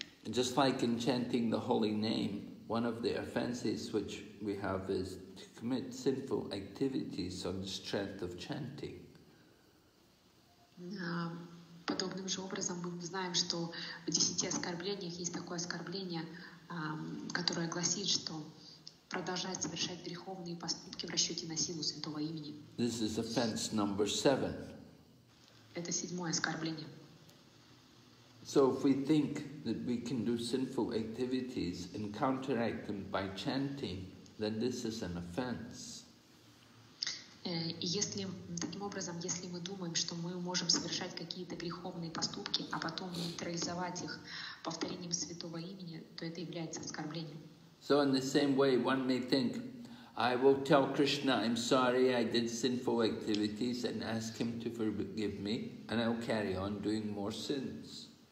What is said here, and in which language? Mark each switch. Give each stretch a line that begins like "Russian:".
English: just like in chanting the holy name, one of the offenses which we have is to commit sinful activities on the strength of chanting.
Russian: Подобным же образом мы знаем, что в десяти оскорблениях есть такое оскорбление, которое гласит, что продолжать совершать греховные поступки в расчете на силу святого имени.
English: This is offense number 7.
Russian: Это седьмое оскорбление.
English: So if we think that we can do sinful activities and counteract them by chanting, then this is an offense.
Russian: Если таким образом, если мы думаем, что мы можем совершать какие-то греховные поступки, а потом нейтрализовать их повторением святого имени, то это является оскорблением.
English: So in the same way, one may think, I will tell Krishna I'm sorry I did sinful activities and ask him to forgive me, and I'll carry on doing more sins.